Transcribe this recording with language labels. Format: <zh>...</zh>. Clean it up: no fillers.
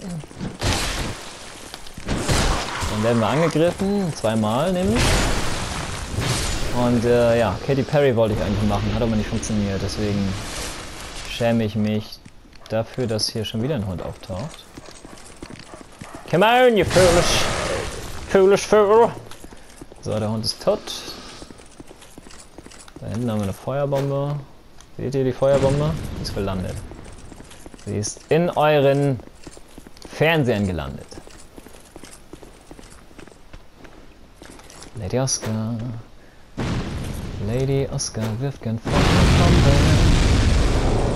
<de>Dann werden wir angegriffen, zweimal nämlich. Und ja, Katy Perry wollte ich eigentlich machen, hat aber nicht funktioniert. Deswegen schäme ich mich dafür, dass hier schon wieder ein Hund auftaucht.</de> <en>Come on, you foolish, foolish fool.</en> <de>So, der Hund ist tot. Da hinten haben wir eine Feuerbombe. Seht ihr die Feuerbombe? Die ist gelandet. Sie ist in euren Fernsehern gelandet. Lady Oscar. Lady Oscar wirft gern Feuerbombe.</de>